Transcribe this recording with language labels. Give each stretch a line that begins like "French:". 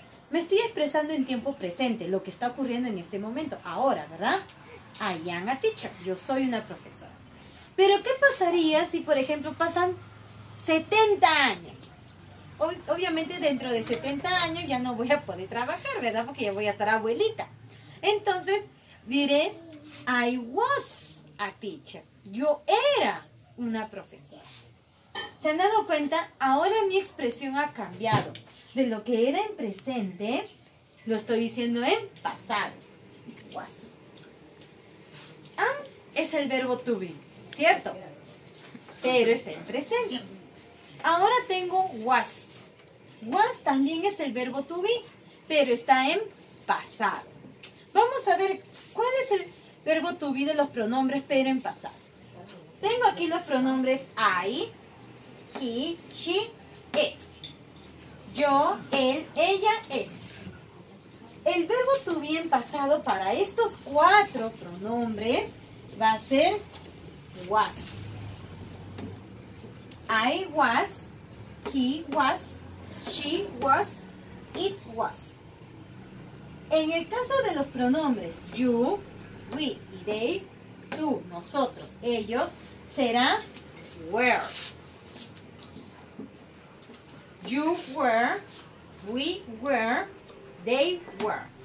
Spanish: Me estoy expresando en tiempo presente lo que está ocurriendo en este momento, ahora, ¿verdad?
English: I am a teacher.
Spanish: Yo soy una profesora. Pero, ¿qué pasaría si, por ejemplo, pasan 70 años? Obviamente dentro de 70 años ya no voy a poder trabajar, ¿verdad? Porque ya voy a estar abuelita. Entonces diré,
English: I was a teacher.
Spanish: Yo era una profesora. ¿Se han dado cuenta? Ahora mi expresión ha cambiado. De lo que era en presente, lo estoy diciendo en pasado. Was. Am es el verbo to be, ¿cierto? Pero está en presente. Ahora tengo was. Was también es el verbo to be, pero está en pasado. Vamos a ver cuál es el verbo to be de los pronombres, pero en pasado. Tengo aquí los pronombres
English: I, he, she, it.
Spanish: Yo, él, ella, es. El verbo to be en pasado para estos cuatro pronombres va a ser was.
English: I was, he was, she was, it was.
Spanish: En el caso de los pronombres
English: you, we y they,
Spanish: tú, nosotros, ellos, será were.
English: You were, we were, they were.